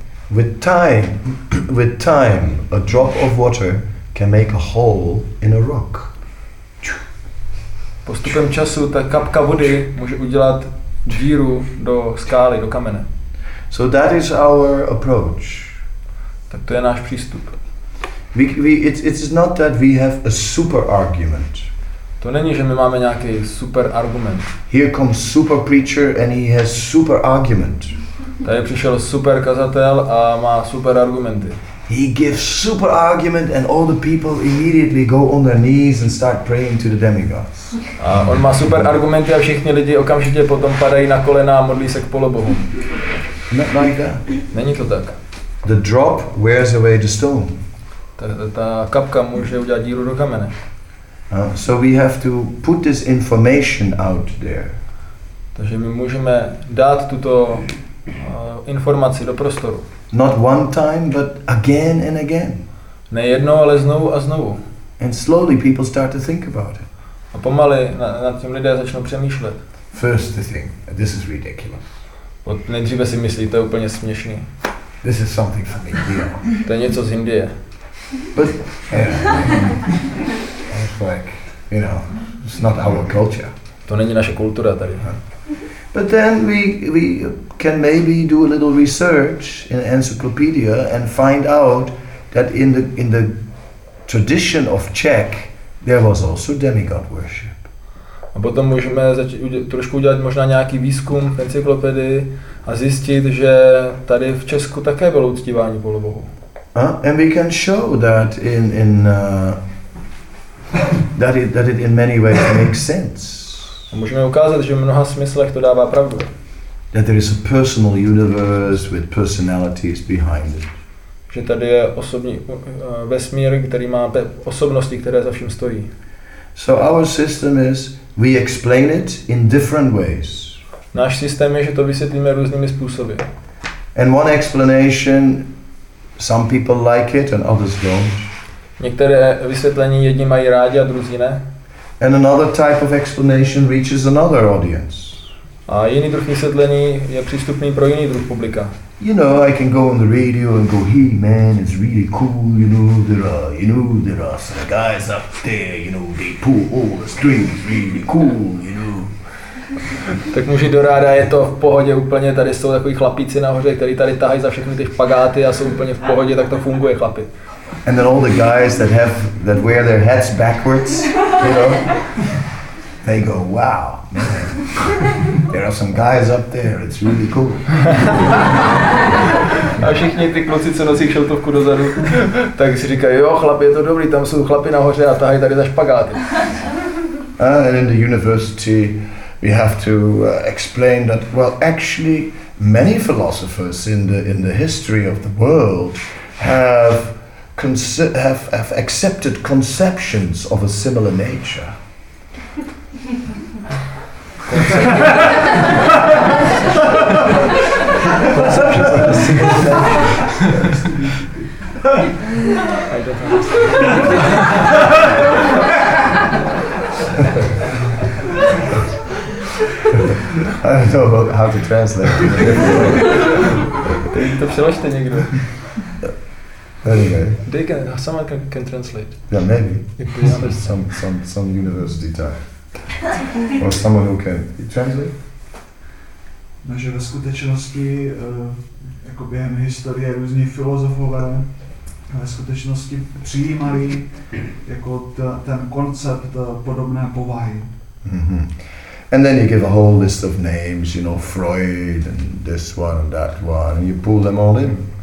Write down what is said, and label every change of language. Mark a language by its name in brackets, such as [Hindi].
[English] With time, a drop of water can make a hole in a rock. [Czech] Postupem času ta kapka vody může udělat díru do skály, do kamene. [English] So that is our approach. [Czech] Tak to je náš přístup. [English] It's not that we have a super argument. [Czech] To není, že my máme nějaký super argument. [English] Here comes super preacher and he has super argument. [Czech] Tady přišel super kazatel a má super argumenty. [English] He gives super argument and all the people immediately go on their knees and start praying to the demigods. [Czech] A on má super argumenty a všichni lidi okamžitě potom padají na kolena a modlí se k polobohu. [English] Not like that. [Czech] Není to tak. [English] The drop wears away the stone. [Czech] Ta kapka může udělat díru do kamene. [English] So we have to put this information out there. [Czech] Takže my můžeme dát tuto informaci do prostoru. [English] Not one time, but again and again. [Czech] Ne jednou, ale znovu a znovu. [English] And slowly people start to think about it. [Czech] A pomaly nad tím lidé začnou přemýšlet. [English] First they think, this is ridiculous. [Czech] Nejdříve si myslí, to je úplně směšný. [English] This is something from India. [Czech] To je něco z Indie. [English] But, yeah, it's like, you know, it's not our culture. [Czech] To není naše kultura tady. [English] But then we can maybe do a little research in encyclopedia and find out that in the tradition of Czech there was also demigod worship. [Czech] A potom můžeme trošku udělat možná nějaký výzkum v encyklopedii a zjistit, že tady v Česku také bylo uctívání polobohu. [English] And we can show that in many ways makes sense. [Czech] Můžeme ukázat, že v mnoha smyslech to dává pravdu. [English] That there is a personal universe with personalities behind it. [Czech] Že tady je osobní vesmír, který má osobnosti, které za vším stojí. [English] So our system is, we explain it in different ways. [Czech] Náš systém je, že to vysvětlíme různými způsoby. [English] And one explanation, some people like it and others don't. [Czech] Některé vysvětlení jedni mají rádi a druzí ne. [English] And another type of explanation reaches another audience. [Czech] A jiný druh vysvětlení je přístupný pro jiný druh publika. [English] You know, I can go on the radio and go, hey man, it's really cool, you know, there are some guys up there, you know, they pull all the strings, really cool, you know. [Czech] Tak můžu do ráda, je to v pohodě úplně, tady jsou takový chlapíci nahoře, kteří tady tahají za všechny ty špagáty a jsou úplně v pohodě, tak to funguje, chlapi. [English] And then all the guys that wear their hats backwards, you know, they go, wow, man, there are some guys up there, it's really cool. [Czech] A všichni ty kluci, co nosí šeltovku dozadu, tak si říkají, jo, chlapi, je to dobrý, tam jsou chlapi nahoře a tahají tady za špagáty. [English] And in the university, we have to explain that, well, actually, many philosophers in the history of the world have accepted conceptions of a similar nature. Conceptions of a similar nature. I don't know how to translate. [Czech] To přeložte někdo. [English] Anyway. They can. Someone can translate. Yeah, maybe. some university type, or someone who can translate. [Czech] No, že ve skutečnosti, jako během historie různí filozofové ve skutečnosti přijímali jako ten koncept podobné povahy. Mm-hmm. [English] And then you give a whole list of names, you know, Freud and this one and that one, and you pull them all in.